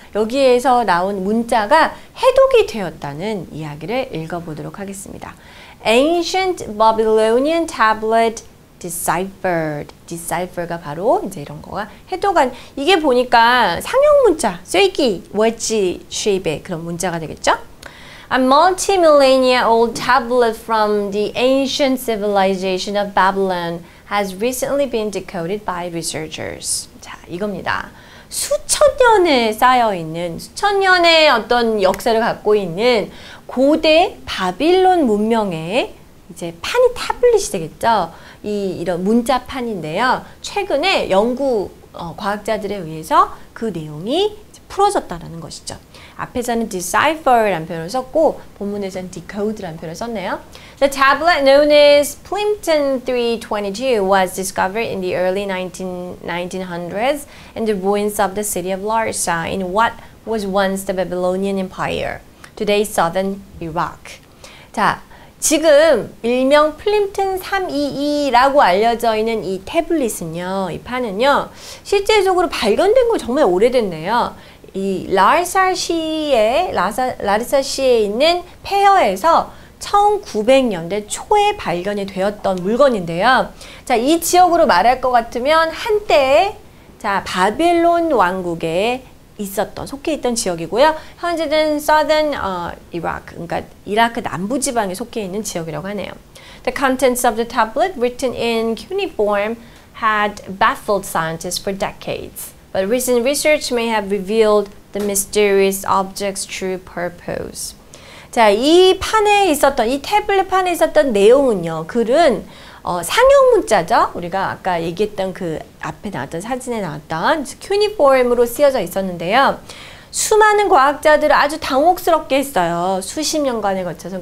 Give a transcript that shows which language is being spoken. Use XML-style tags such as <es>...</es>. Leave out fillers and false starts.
<ko>여기에서 나온 문자가 해독이 되었다는 이야기를 읽어보도록 하겠습니다.</ko> <en>Ancient Babylonian tablet deciphered.</en> <ko>Decipher가 바로 이제 이런 거가 해독한 이게 보니까 상형 문자, 쇠기, 웨지 쉐입의 그런 문자가 되겠죠?</ko> <en>A multi-millennia-old tablet from the ancient civilization of Babylon has recently been decoded by researchers.</en> <ko>자, 이겁니다. 수천 년에 쌓여 있는 수천 년의 어떤 역사를 갖고 있는 고대 바빌론 문명의 이제 판이 태블릿이 되겠죠. 이런 문자판인데요. 최근에 연구 과학자들에 의해서 그 내용이 이제 풀어졌다라는 것이죠. 앞에서는 decipher라는 표현을 썼고 본문에서는 decode라는 표현을 썼네요.</ko> <en>The tablet known as Plimpton 322 was discovered in the early 1900s in the ruins of the city of Larsa in what was once the Babylonian Empire, today's southern Iraq.</en> <ko>자, 지금 일명 플림튼 322라고 알려져 있는 이 태블릿은요, 이 판은요, 실제적으로 발견된 거 정말 오래됐네요. 이 라르사시에 있는 페어에서 1900년대 초에 발견이 되었던 물건인데요. 자, 이 지역으로 말할 것 같으면 한때, 자, 바빌론 왕국에 있었던, 속해 있던 지역이고요. 현재는 Southern Iraq, 그러니까 이라크 남부 지방에 속해 있는 지역이라고 하네요.</ko> <en>The contents of the tablet written in cuneiform had baffled scientists for decades. But recent research may have revealed the mysterious object's true purpose.</en> <ko>자, 이 판에 있었던, 이 태블릿 판에 있었던 내용은요. 글은 상형 문자죠. 우리가 아까 얘기했던 그 앞에 나왔던 사진에 나왔던 cuneiform으로 쓰여져 있었는데요. 수많은 과학자들을 아주 당혹스럽게 했어요. 수십 년간에 걸쳐서.</ko>